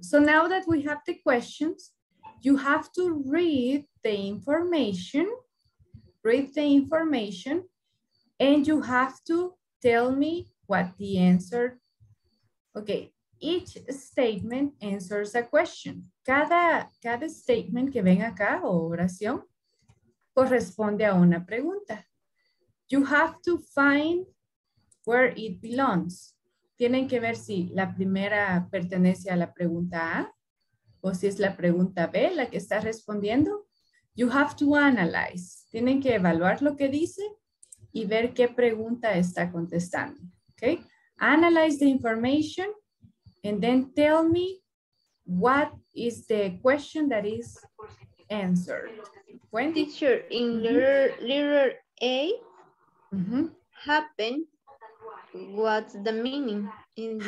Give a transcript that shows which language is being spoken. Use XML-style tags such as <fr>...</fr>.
<en>So now that we have the questions, you have to read the information, and you have to tell me what the answer. Okay, each statement answers a question.</en> <es>Cada statement que ven acá o oración corresponde a una pregunta.</es> <en>You have to find where it belongs.</en> <es>Tienen que ver si la primera pertenece a la pregunta A o si es la pregunta B la que está respondiendo.</es> <en>You have to analyze.</en> <es>Tienen que evaluar lo que dice y ver qué pregunta está contestando.</es> <en>Okay? Analyze the information and then tell me what is the question that is answered. When teacher, in letter A, mm-hmm. happen. What's the meaning in this</en>